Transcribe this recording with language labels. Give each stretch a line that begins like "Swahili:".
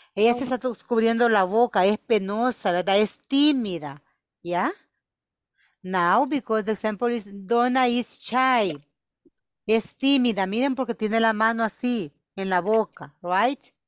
Spanish: Ella se está cubriendo la boca, es penosa, ¿verdad? Es tímida, ¿ya?
English: Now, because the example is Donna is shy.
Spanish: Es tímida, miren porque tiene la mano así en la boca,
English: right?